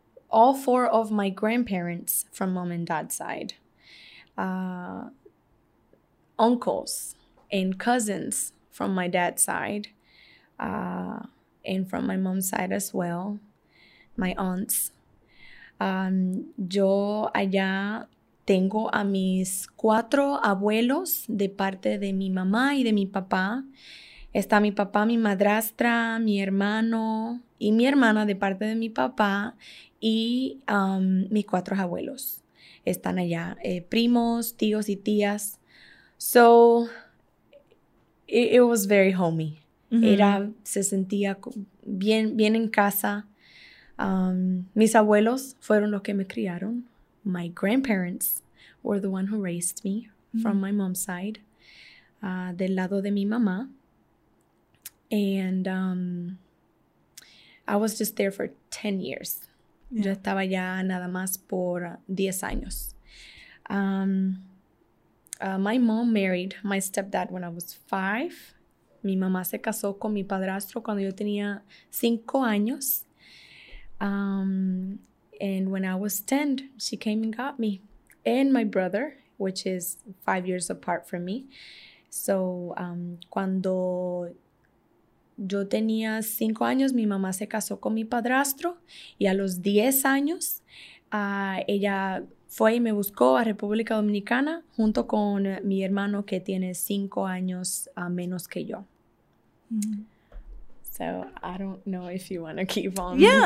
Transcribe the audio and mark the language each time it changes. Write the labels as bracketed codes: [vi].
[en] All four of my grandparents from mom and dad's side, uncles and cousins from my dad's side, and from my mom's side as well, my aunts. [es] Yo allá tengo a mis cuatro abuelos de parte de mi mamá y de mi papá. Está mi papá, mi madrastra, mi hermano y mi hermana de parte de mi papá, y mis cuatro abuelos están allá, primos, tíos y tías. [en] So it was very homey. Mm-hmm. [es] Se sentía bien, bien en casa. Mis abuelos fueron los que me criaron. [en] My grandparents were the one who raised me, mm-hmm. from my mom's side, [es] del lado de mi mamá. [en] And I was just there for 10 years. Yeah. [es] Yo estaba ya nada más por 10 años. [en] My mom married my stepdad when I was 5. [es] Mi mamá se casó con mi padrastro cuando yo tenía 5 años. [en] And when I was 10, she came and got me and my brother, which is 5 years apart from me. [es] So cuando yo tenía 5 años, mi mamá se casó con mi padrastro. Y a los 10 años, ella fue y me buscó a República Dominicana junto con mi hermano que tiene 5 años menos que yo. [en] Mm-hmm. So I don't know if you want to keep on